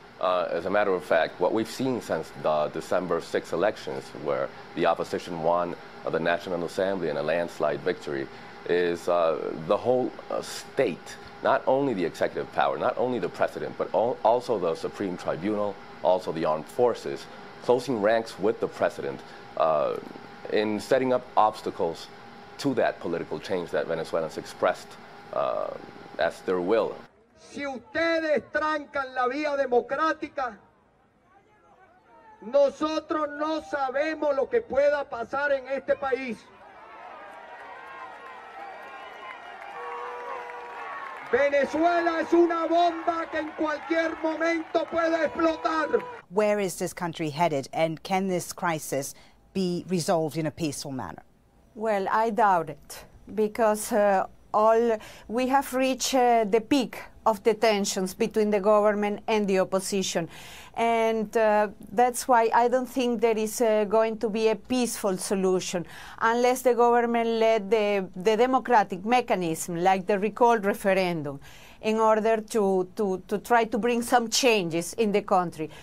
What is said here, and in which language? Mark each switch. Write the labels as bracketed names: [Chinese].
[English] As a matter of fact, what we've seen since the December 6 elections, where the opposition won the National Assembly in a landslide victory, is the whole state, not only the executive power, not only the president, but also the Supreme Tribunal, also the armed forces, closing ranks with the president, in setting up obstacles to that political change that Venezuelans expressed as their will. [Spanish] Si ustedes trancan la vía democrática, nosotros no sabemos lo que pueda pasar en este país. Venezuela es una bomba que en cualquier momento puede explotar. [English] Where is this country headed, and can this crisis be resolved in a peaceful manner? Well, I doubt it, because we have reached the peak of the tensions between the government and the opposition. And that's why I don't think there is going to be a peaceful solution unless the government led the democratic mechanism, like the recall referendum, in order to try to bring some changes in the country.